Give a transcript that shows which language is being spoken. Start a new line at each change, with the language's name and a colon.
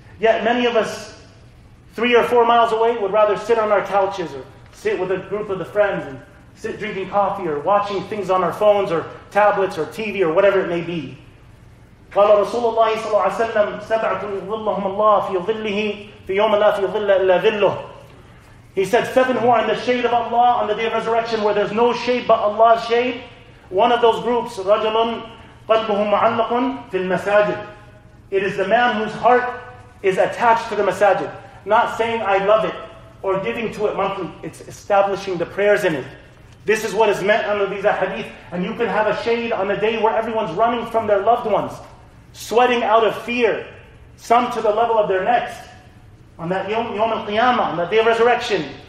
English: Yet many of us, 3 or 4 miles away, would rather sit on our couches or sit with a group of the friends and sit drinking coffee or watching things on our phones or tablets or TV or whatever it may be.
Arabic: قَالَ رَسُولُ اللَّهِ صَلَّى اللَّهُ عَلَيْهِ وَسَلَّمْ سَبْعَةُ ظِلَّهُمَ اللَّهُ فِي ظِلِّهِ فِي يَوْمَ لَا فِي ظِلَّ إِلَّا ظِلُّهُ.
English: He said, 7 who are in the shade of Allah on the day of resurrection where there's no shade but Allah's shade. One of those groups,
Arabic: رَجَلٌ قَلْبُهُ مُعَلَّقٌ فِي الْمَسَاجِدِ.
English: It is the man whose heart is attached to the masajid. Not saying, I love it, or giving to it monthly. It's establishing the prayers in it. This is what is meant under these ahadith. And you can have a shade on a day where everyone's running from their loved ones, sweating out of fear, some to the level of their necks, on that Yawm al-Qiyamah, on that day of resurrection.